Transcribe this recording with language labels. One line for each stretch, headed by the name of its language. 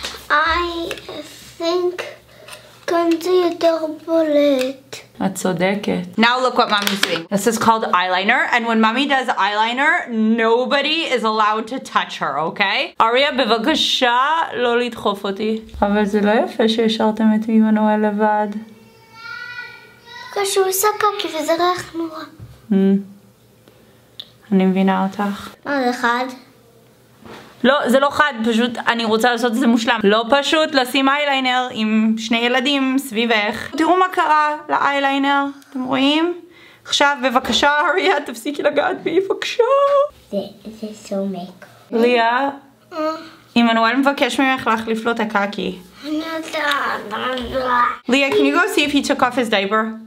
English: I think
Hebrew: כאן זה יותר בולט. את צודקת.
English: Now look what mommy's doing. This is called eyeliner, and when mommy does eyeliner, nobody is allowed to touch her, okay?
Hebrew: אריה, בבקשה לא לדחוף אותי. אבל זה לא יפה שהשארתם את עמנואל לבד. כשהוא עושה קקי וזה ריח נורא. אני מבינה אותך. מה, זה חד? לא, זה לא חד, פשוט אני רוצה לעשות את זה מושלם. לא פשוט לשים אייליינר עם שני ילדים סביבך. תראו מה קרה לאייליינר, אתם רואים? עכשיו בבקשה, אריה, תפסיקי לגעת בי, בבקשה. זה סומק. ליה, עמנואל מבקש ממך להחליף לו את הקאקי. אני יודעת.
English: ליה, can you go see if he took off his diaper?